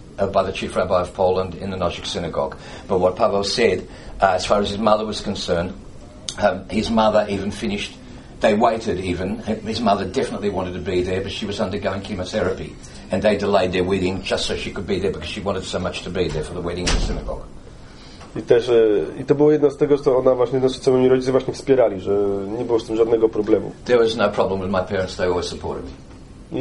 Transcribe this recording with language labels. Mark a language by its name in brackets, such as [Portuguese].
[English] by the chief rabbi of Poland in the Nozick synagogue. But what Paweł said, as far as his mother was concerned, his mother even finished, they waited even, his mother definitely wanted to be there, but she was undergoing chemotherapy, and they delayed their wedding just so she could be there, because she wanted so much to be there for the wedding in the synagogue. [Polish] I też i to było jedno z tego, co ona właśnie, no, co moi rodzice właśnie wspierali, że nie było z tym żadnego problemu. [English] There was no problem with my parents, they always supported me.